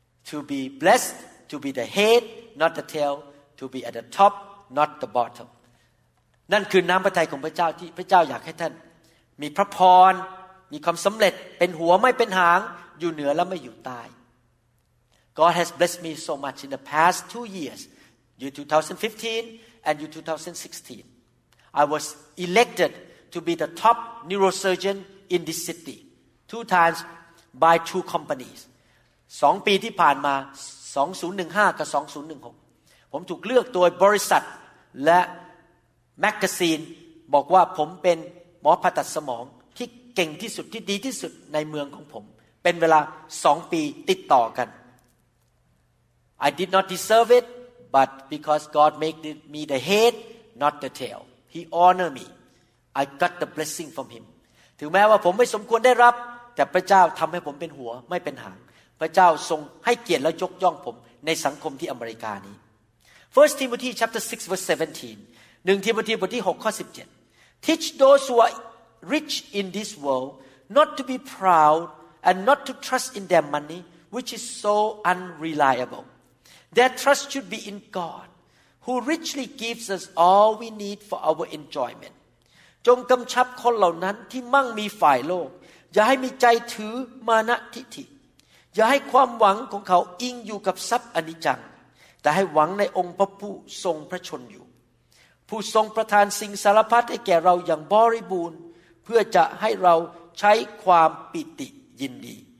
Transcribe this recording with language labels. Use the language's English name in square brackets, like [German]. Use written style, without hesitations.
[English] To be blessed, to be the head, not the tail. To be at the top, not the bottom. [Thai] นั่นคือน้ำพระทัยของพระเจ้าที่พระเจ้าอยากให้ท่านมีพระพรมีความสำเร็จเป็นหัวไม่เป็นหางอยู่เหนือและไม่อยู่ใต้ [English] God has blessed me so much in the past 2 years. Year 2015 and year 2016. I was elected to be the top neurosurgeon in this city. Two times. By two companies. [Thai] 2 ปีที่ผ่านมา2015กับ2016ผมถูกเลือกโดยบริษัทและแมกกาซีนบอกว่าผมเป็นหมอผ่าตัดสมองที่เก่งที่สุดที่ดีที่สุดในเมืองของผมเป็นเวลา2ปีติดต่อกัน [English] I did not deserve it but because God made me the head not the tail He honored me I got the blessing from him [Thai] ถึงแม้ว่าผมไม่สมควรได้รับแต่พระเจ้าทำให้ผมเป็นหัวไม่เป็นหางพระเจ้าทรงให้เกียรติและยกย่องผมในสังคมที่อเมริกานี้ [English] 1 Timothy chapter 6 verse 17 1 Timothy [Thai] บทที่6ข้อ17 [English] Teach those who are rich in this world not to be proud and not to trust in their money, which is so unreliable. Their trust should be in God, who richly gives us all we need for our enjoyment. [Thai] จงกำชับคนเหล่านั้นที่มั่งมีฝ่ายโลกอย่าให้มีใจถือมานะทิฐิอย่าให้ความหวังของเขาอิงอยู่กับทรัพย์อนิจจังแต่ให้หวังในองค์พระผู้ทรงพระชนอยู่ผู้ทรงประทานสิ่งสารพัดให้แก่เราอย่างบริบูรณ์เพื่อจะให้เราใช้ความปิติยินดี